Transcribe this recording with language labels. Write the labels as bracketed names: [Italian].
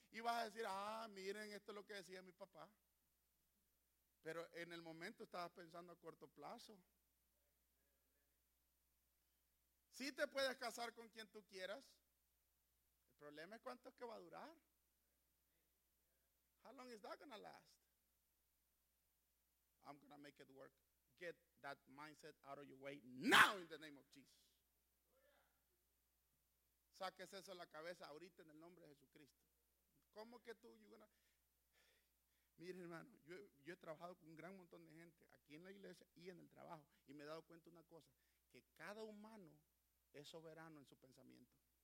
[Spanish] Y vas a decir, ah, miren, esto es lo que decía mi papá. Pero en el momento estabas pensando a corto plazo. Sí te puedes casar con quien tú quieras. El problema es cuánto es que va a durar. [English] How long is that gonna last? I'm gonna make it work. Get that mindset out of your way now in the name of Jesus. [Spanish] Saques eso de la cabeza ahorita en el nombre de Jesucristo. ¿Cómo que tú? Mire, hermano, yo he trabajado con un gran montón de gente aquí en la iglesia y en el trabajo. Y me he dado cuenta de una cosa, que cada humano es soberano en su pensamiento.